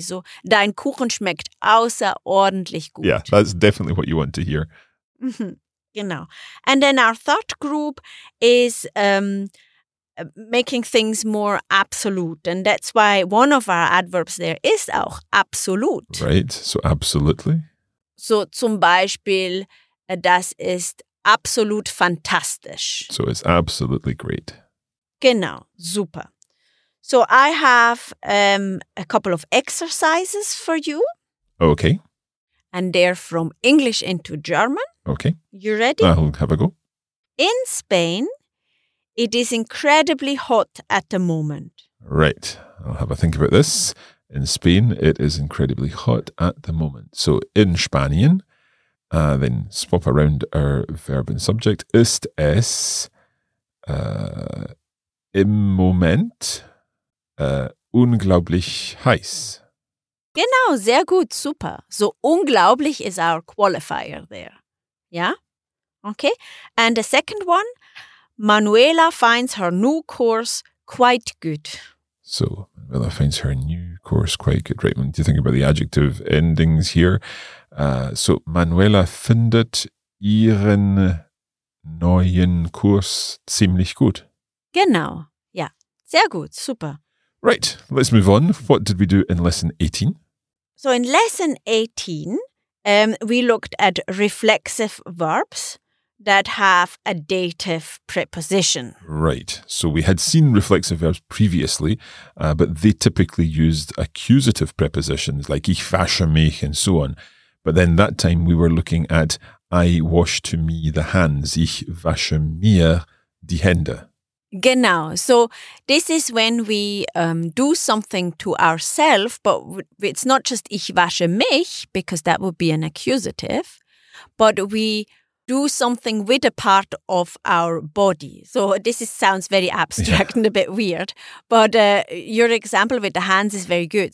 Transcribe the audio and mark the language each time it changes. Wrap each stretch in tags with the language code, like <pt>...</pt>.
<de>So dein Kuchen schmeckt außerordentlich gut.</de> <en>Yeah, that's definitely what you want to hear.</en> <de>Genau.</de> <en>And then our third group is making things more absolute. And that's why one of our adverbs there is auch absolut. Right, so absolutely.</en> <de>So zum Beispiel, das ist absolut fantastisch.</de> <en>So it's absolutely great.</en> <de>Genau, super.</de> <en>So I have a couple of exercises for you. Okay. And they're from English into German. Okay. You ready? I'll have a go. In Spain, it is incredibly hot at the moment. Right. I'll have a think about this. In Spain, it is incredibly hot at the moment.</en> <de>So in Spanien,</de> <en>then swap around our verb and subject,</en> <de>ist es im Moment unglaublich heiß. Genau, sehr gut, super.</de> <en>So unglaublich is our qualifier there. Yeah? Okay. And the second one, Manuela finds her new course quite good. So, Manuela finds her new course quite good. Right, when you think about the adjective endings here.</en> <de>So, Manuela findet ihren neuen Kurs ziemlich gut. Genau. Ja. Sehr gut. Super.</de> <en>Right. Let's move on. What did we do in lesson 18? So in lesson 18, we looked at reflexive verbs that have a dative preposition. Right. So we had seen reflexive verbs previously, but they typically used accusative prepositions like</en> <de>ich wasche mich</de> <en>and so on. But then that time we were looking at I wash to me the hands.</en> <de>Ich wasche mir die Hände. Genau.</de> <en>So this is when we do something to ourselves, but it's not just</en> <de>ich wasche mich,</de> <en>because that would be an accusative, but we do something with a part of our body. So this is, sounds very abstract yeah. and a bit weird, but your example with the hands is very good.</en>